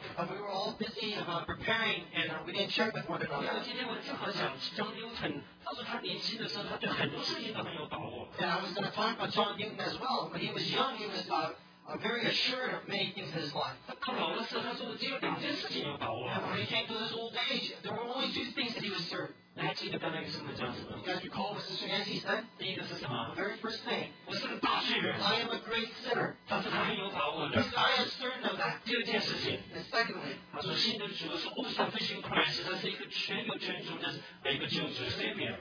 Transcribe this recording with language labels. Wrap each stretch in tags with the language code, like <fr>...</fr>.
<en>But we were all busy preparing, and we didn't share with one another.</en> <zh>因为今天我正好想John Newton，他说他年轻的时候，他对很多事情都很有把握。</zh> <en>And I was going to talk about John Newton as well. When he was young, he was a very assured of many things in his life.</en> <zh>他老的时候，他说我只有两件事情有把握。</zh> <en>And when he came to his old age, there were only two things that he was certain.</en> <zh>你还记得刚才是什么讲什么？</zh> <en>You guys recall what Sister Nancy said?</en> <zh>第一个是什么？</zh> <en>The very first thing.</en> <zh>我是个大罪人。</zh> <en>I am a great sinner.</en> <zh>他说他很有把握的。</zh> <en>I am certain of that.</en> <zh>第二件事情。</zh> <en>And secondly.</en> <zh>他说信的主是</zh> <en>all sufficient Christ.</en> <zh>他是一个全有全足的每个救主 Savior.</zh>